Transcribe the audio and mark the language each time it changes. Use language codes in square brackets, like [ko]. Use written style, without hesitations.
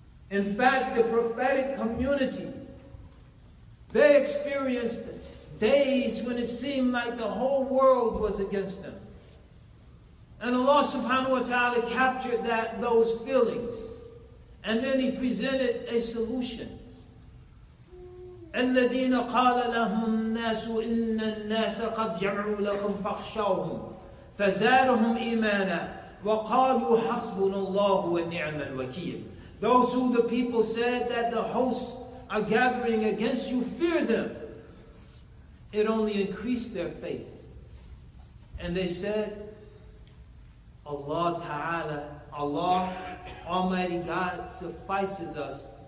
[en] In fact, the prophetic community, they experienced days when it seemed like the whole world was against them. And Allah Subhanahu wa Ta'ala captured those feelings. And then He presented a solution. [ar] الذين قال لهم الناس إن الناس قد جمعوا لكم فاخشوهم فزادهم إيمانا وقالوا حسبنا الله ونعم الوكيل. [en] Those who the people said that the hosts are gathering against you, fear them. It only increased their faith. And they said, Allah Ta'ala, Allah, Almighty God, suffices us.